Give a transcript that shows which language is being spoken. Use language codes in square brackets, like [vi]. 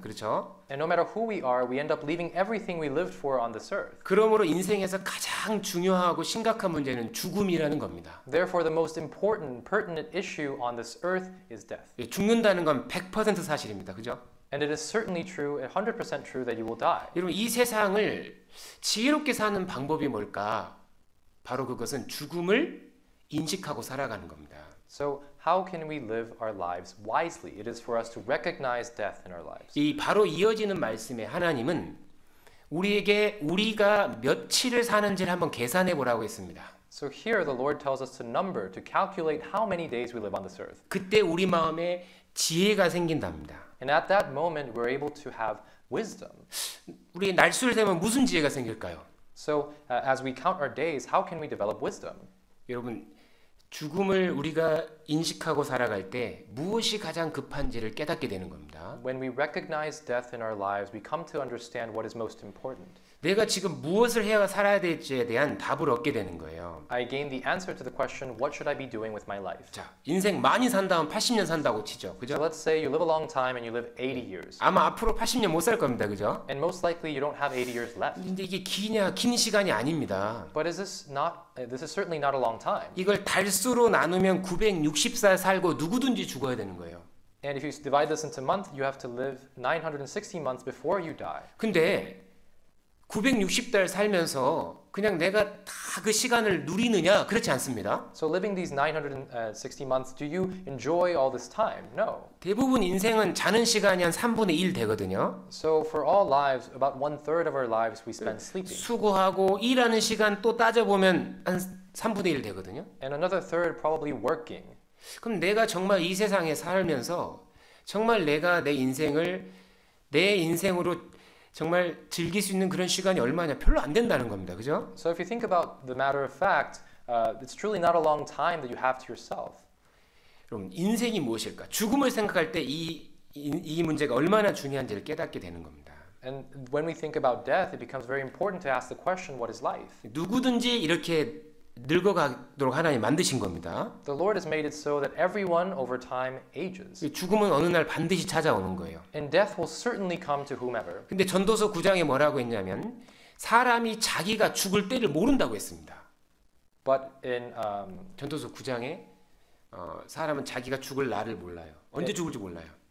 [ko] 그렇죠? [en] And no matter who we are, we end up leaving everything we lived for on this earth. [ko] 그러므로 인생에서 가장 중요하고 심각한 문제는 죽음이라는 겁니다. [en] Therefore, the most important, pertinent issue on this earth is death. [ko] 죽는다는 건100% 사실입니다. 그죠? [en] And it is certainly true, 100% true that you will die. [ko] 여러분, 이 세상을 지혜롭게 사는 방법이 뭘까? 바로 그것은 죽음을 인식하고 살아가는 겁니다. [en] So, how can we live our lives wisely? It is for us to recognize death in our lives. [ko] 이 바로 이어지는 말씀에 하나님은 우리에게 우리가 며칠을 사는지를 한번 계산해 보라고 했습니다. [en] So here the Lord tells us to number, to calculate how many days we live on this earth. [ko] 그때 우리 마음에 지혜가 생긴답니다. [en] And at that moment we're able to have wisdom. [ko] 우리 날수를 세면 무슨 지혜가 생길까요? [en] So as we count our days, how can we develop wisdom? [ko] 여러분, 죽음을 우리가 인식하고 살아갈 때 무엇이 가장 급한지를 깨닫게 되는 겁니다. [en] When we recognize death in our lives, we come to understand what is most important. [ko] 내가 지금 무엇을 해야 살아야 될지에 대한 답을 얻게 되는 거예요. [en] I gain the answer to the question, what should I be doing with my life? [ko] 자, 인생 많이 산다면 80년 산다고 치죠. 그죠? [en] So let's say you live a long time and you live 80 years. [ko] 아마 앞으로 80년 못 살 겁니다. 그죠? [en] And most likely you don't have 80 years left. [ko] 근데 이게 기냐, 긴 시간이 아닙니다. [en] But is this not this is certainly not a long time. [ko] 이걸 달수로 나누면 960살 살고 누구든지 죽어야 되는 거예요. [en] And if you divide this into month, you have to live 960 months before you die. [ko] 근데 960달 살면서 그냥 내가 다 그 시간을 누리느냐? 그렇지 않습니다. [en] So living these 960 months, do you enjoy all this time? No. [ko] 대부분 인생은 자는 시간이 한 3분의 1 되거든요. [en] So for all lives, about one third of our lives we spend sleeping. [ko] 수고하고 일하는 시간 또 따져보면 한 3분의 1 되거든요. [en] And another third probably working. [ko] 그럼 내가 정말 이 세상에 살면서 정말 내가 내 인생을 내 인생으로 정말 즐길 수 있는 그런 시간이 얼마냐? 별로 안 된다는 겁니다. 그죠? [en] So if you think about the matter of fact, it's truly not a long time that you have to yourself. [ko] 그럼 인생이 무엇일까? 죽음을 생각할 때 이 문제가 얼마나 중요한지를 깨닫게 되는 겁니다. [en] And when we think about death, it becomes very important to ask the question, what is life? [ko] 누구든지 이렇게 늙어가도록 하나님 만드신 겁니다. [en] The Lord has made it so that everyone over time ages. [ko] 죽음은 어느 날 반드시 찾아오는 거예요. [en] And death will certainly come to whomever. [ko] 근데 전도서 9장에 뭐라고 했냐면 사람이 자기가 죽을 때를 모른다고 했습니다. [en] But in [ko] 전도서 9장에 사람은 자기가 죽을 날을 몰라요. 언제 it, 죽을지 몰라요.